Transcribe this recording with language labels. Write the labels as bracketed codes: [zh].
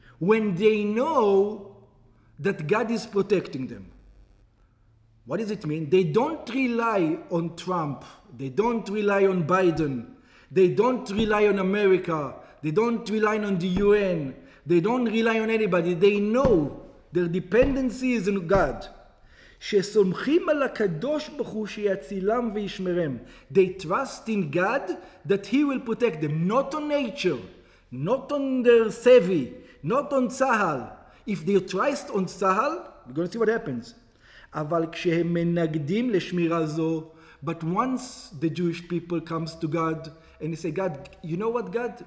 [en] When they know that God is protecting them. What does it mean? They don't rely on Trump. They don't rely on Biden. They don't rely on America. They don't rely on the UN. They don't rely on anybody. They know their dependency is on God. [he] שסומכים על הקדוש ברוך הוא שיצילם וישמרם. [en] They trust in God that he will protect them. Not on nature. Not on their savvy. Not on Tzahal. If they trust on Tzahal, we're going to see what happens. [he] אבל כשהם מנגדים לשמירה זו, [en] but once the Jewish people comes to God and they say, God, you know what, God?